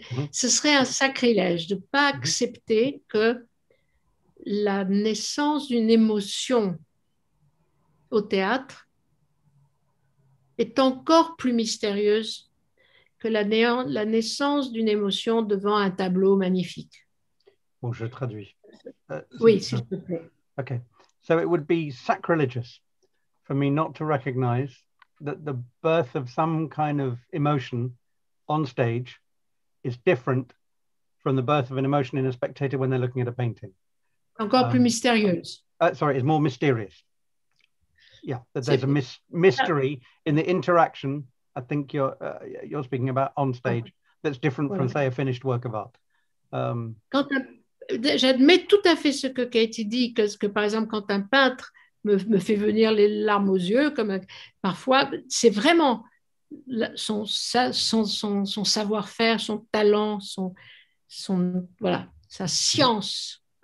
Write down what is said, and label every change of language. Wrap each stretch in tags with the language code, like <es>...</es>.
<fr>Ce serait un sacrilège de pas accepter que la naissance d'une émotion au théâtre est encore plus mystérieuse que la naissance d'une émotion devant un tableau magnifique. Bon, je traduis. Oui, s'il te plaît.</fr> <en>Okay, so it would be sacrilegious for me not to recognize that the birth of some kind of emotion on stage is different from the birth of an emotion in a spectator when they're looking at a painting.</en> <fr>Encore plus mystérieuse.</fr> <en>Sorry, it's more mysterious. Yeah, that there's c'est a mystery in the interaction, I think you're speaking about on stage, that's different from, say, a finished work of art.</en> <fr>J'admets tout à fait ce que Katie dit, parce que, par exemple, quand un peintre me fait venir les larmes aux yeux, comme parfois, c'est vraiment son savoir-faire, son talent, sa science.</fr>